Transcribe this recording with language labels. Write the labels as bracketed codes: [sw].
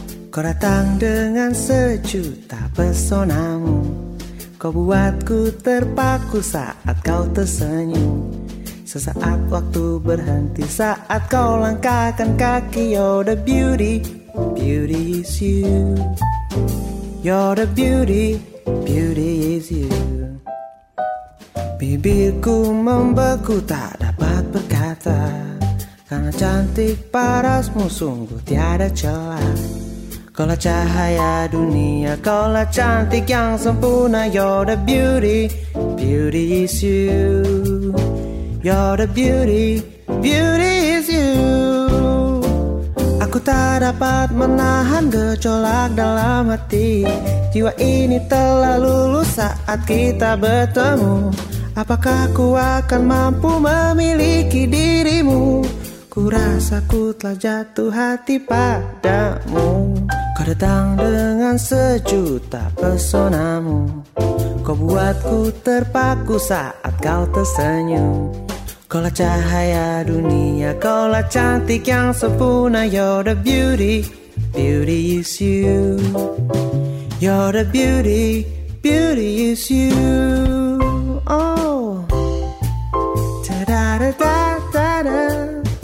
[id] Kau datang dengan sejuta pesonamu, kau buatku terpaku saat kau tersenyum. Sesaat waktu berhenti saat kau langkahkan kaki. [en] You're the beauty, beauty is you. You're the beauty, beauty is you. [id] Bibirku membeku tak dapat berkata, karena cantik parasmu sungguh tiada celah. Kau lah cahaya dunia, kau lah cantik yang sempurna. [en] You're the beauty, beauty is you. You're the beauty, beauty is you. [id] Aku tak dapat menahan gejolak dalam hati. Jiwa ini telah luluh saat kita bertemu. Apakah ku akan mampu memiliki dirimu? Ku rasa ku telah jatuh hati padamu. Kau datang dengan sejuta pesonamu, kau buatku terpaku saat kau tersenyum. Kau lah cahaya dunia, kau lah cantik yang sempurna. [en] You're the beauty, beauty is you. You're the beauty, beauty is you. Oh, ta-da-da-da-da-da.